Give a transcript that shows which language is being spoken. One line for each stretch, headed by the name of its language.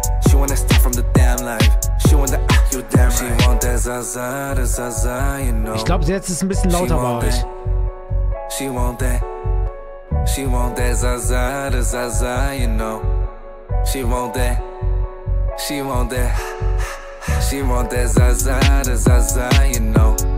English: She wanna steal from the damn life. She wanna act you damn right. She want that Zaza, the Zaza, you know.
German: Ich glaube, jetzt ist ein bisschen lauter bei euch.
English: She want that. She want that Zaza, the Zaza, you know. She want that. She want that. She want that Zaza, the Zaza, you know.